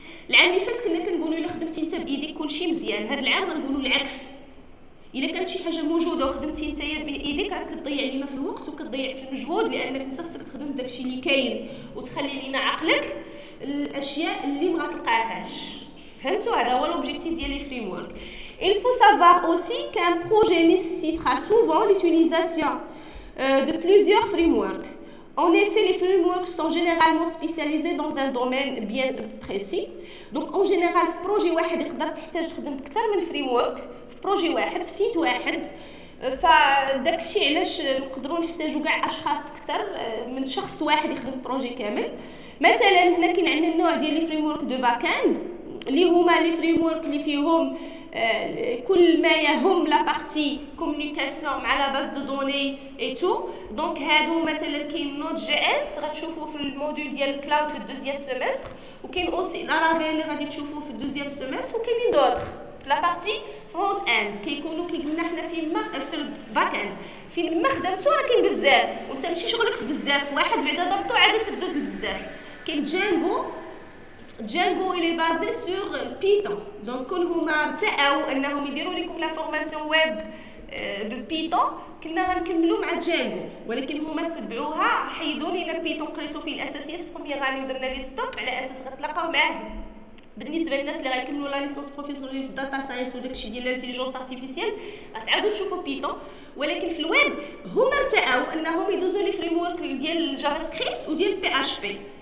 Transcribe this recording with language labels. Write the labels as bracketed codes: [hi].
[ar] العام اللي فات كنا كنقولوا الا خدمتي انت بايديك كلشي مزيان، هذا العام غنقولوا العكس. إذا كانت شي حاجه موجوده وخدمتي نتايا بايديك راك تضيع لينا في الوقت وكتضيع في المجهود، لانك انت خصك تخدم داكشي اللي كاين وتخلي لينا عقلك الاشياء اللي ما غتلقاهاش. فهمتوا؟ هذا هو لوبجيكتيف ديال لي فريم ورك. [fr] Il faut savoir aussi qu'un projet nécessitera souvent l'utilisation de plusieurs frameworks. En effet, les frameworks sont généralement spécialisés dans un domaine bien précis. Donc en général, [ar] في بروجي واحد يقدر تحتاج تخدم اكثر من فريمورك في بروجي واحد في سيت واحد. فداكشي علاش نقدروا نحتاجوا كاع اشخاص اكثر من شخص واحد يخدم بروجي كامل. مثلا هنا كاين عندنا النوع ديال لي فريمورك دو باك اند اللي هما لي فريمورك اللي فيهم كل ما يهم لا بارتي كومونيكاسيون مع لا باز دو دوني اي تو. دونك هادو مثلا كاين نود جي اس غتشوفوه في الموديول ديال الكلاود في الدوزيام سيمستر، وكاين اوسي لارافيل اللي غادي تشوفوه في الدوزيام سيمستر، وكاينين دوطخ لا بارتي فرونت اند كيكونوا كي قلنا حنا في ما في الباك اند في ما خدمتو راه كاين بزاف وانت ماشي شغلك في بزاف واحد بعدا ضربتو عاد تدوز بزاف. كاين جانجو [fr] Django il est basé sur Python. [ar] Donc كون هما تاعو انهم يديروا لكم لا فورماسيون ويب بالبيتون كنا غنكملوا مع Django، ولكن هما تبعوها حيدوا لينا بيتون قريتو فيه الاساسيات في بروميير اني ودرنا لي ستوب على اساس غتلاقاو معاه. بالنسبه للناس اللي غيكملوا لا ليسونس بروفيسيونيل في الداتا ساينس وداكشي ديال الانتيليجونس ارتيفيسيال غتعاودوا تشوفوا بيتون، ولكن في الويب هما تاعو انهم يدوزوا لي فريم ورك ديال الجافا سكريبت وديال بي اتش بي.